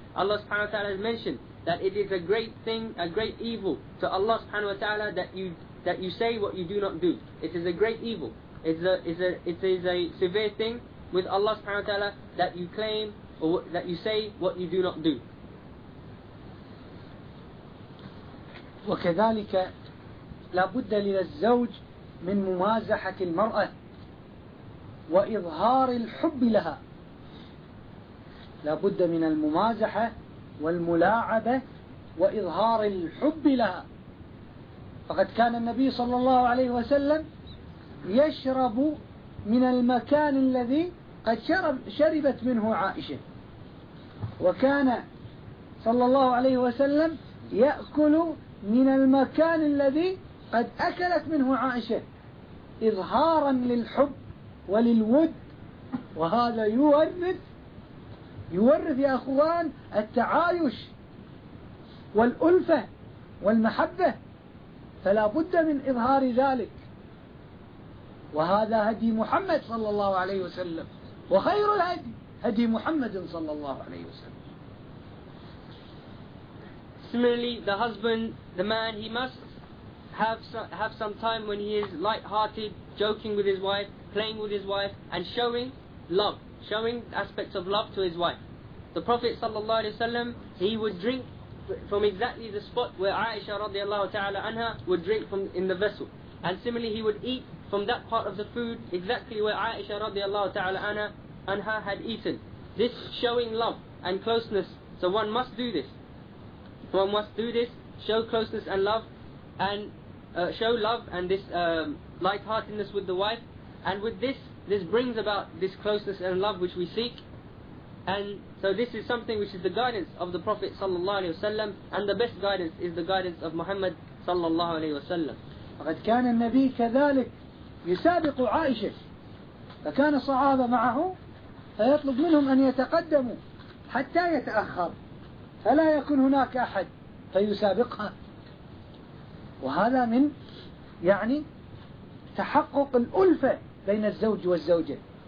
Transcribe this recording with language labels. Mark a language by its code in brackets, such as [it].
[en] Allah subhanahu wa ta'ala has mentioned that it is a great thing, a great evil to Allah subhanahu wa ta'ala that you say what you do not do. It is a great evil. It is a severe thing with Allah subhanahu wa ta'ala that you claim or that you say what you do not do. [ar] وكذلك لا بد للزوج من ممازحة المرأة وإظهار الحب لها. لا بد من الممازحة والملاعبة وإظهار الحب لها. فقد كان النبي صلى الله عليه وسلم يشرب من المكان الذي قد شربت منه عائشة، وكان صلى الله عليه وسلم يأكل من المكان الذي قد أكلت منه عائشة، إظهارا للحب وللود. وهذا يورث يا أخوان التعايش والألفة والمحبة، فلا بد من إظهار ذلك. وهذا هدي محمد صلى الله عليه وسلم، وخير الهدي هدي محمد صلى الله عليه وسلم. [en] Similarly, the husband, the man, he must have some time when he is light-hearted, joking with his wife, playing with his wife, and showing love, showing aspects of love to his wife. The Prophet sallallahu alaihi wasallam, he would drink from exactly the spot where Aisha radiallahu ta'ala anha would drink from in the vessel. And similarly, he would eat from that part of the food exactly where Aisha radiallahu ta'ala anha had eaten. This showing love and closeness, so one must do this. One must do this, show closeness and love, and show love and this lightheartedness with the wife. And with this, this brings about this closeness and love which we seek. And so this is something which is the guidance of the Prophet sallallahu alaihi wasallam, and the best guidance is the guidance of Muhammad sallallahu alaihi wasallam. [ar] قد كان النبي كذلك يسابق عائشة، فكان الصحابة معه، فيطلب منهم أن يتقدموا حتى يتأخر. فلا يكون هناك أحد فيسابقها، وهذا من يعني تحقق الألفة بين الزوج والزوجة.